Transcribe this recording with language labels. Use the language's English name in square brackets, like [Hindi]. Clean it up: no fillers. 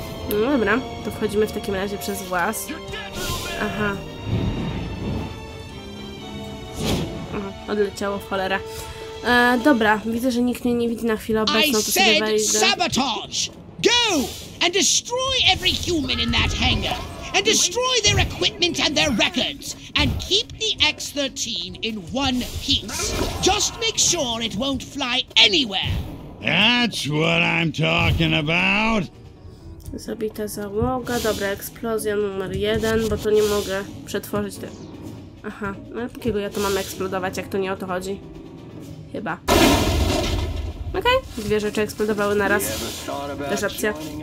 [Polish] No dobra, to wchodzimy w takim razie przez włas. Aha. Odleciało, cholera. Dobra, widzę, że nikt mnie nie widzi na chwilę obecną, to sobie wejdę. [English] Sabotage! Go! And destroy every human in that hangar! And destroy their equipment and their records, and keep the X-13 in one piece. Just make sure it won't fly anywhere. That's what I'm talking about. [Polish] Zabita załoga, dobra, eksplozja numer jeden, bo to nie mogę przetworzyć tego. Aha, no ale jakiego ja to mam eksplodować, jak to nie o to chodzi? Chyba. Okej, dwie rzeczy eksplodowały naraz. Też opcja.